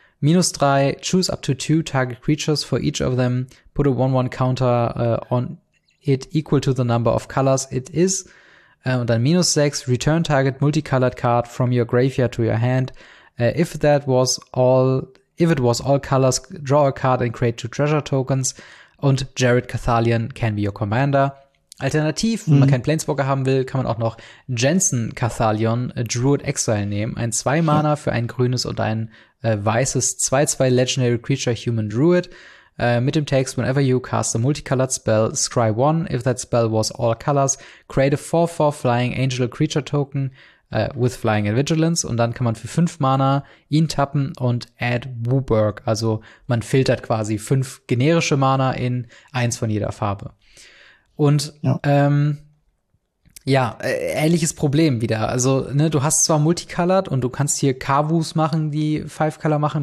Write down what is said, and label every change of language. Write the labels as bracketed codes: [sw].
[en] Minus 3, choose up to 2 target creatures for each of them, put a 1-1 counter on it equal to the number of colors it is. [de] Und dann [en] minus 6, return target multicolored card from your graveyard to your hand. If it was all colors, draw a card and create 2 treasure tokens. Und Jared Carthalion can be your commander. [de] Alternativ, wenn man keinen Planeswalker haben will, kann man auch noch Jensen Carthalion, Druid Exile nehmen. Ein 2 Mana für ein grünes und ein weißes 2-2 Legendary Creature Human Druid. Mit dem Text, [en] whenever you cast a multicolored spell, scry 1. If that spell was all colors, create a 4-4 Flying Angel Creature Token with Flying and Vigilance. [de] Und dann kann man für 5 Mana ihn tappen und add Wooburg. Also man filtert quasi 5 generische Mana in eins von jeder Farbe. Und ähnliches Problem wieder. Also, ne, du hast zwar Multicolored und du kannst hier Kavus machen, die Five-Color machen.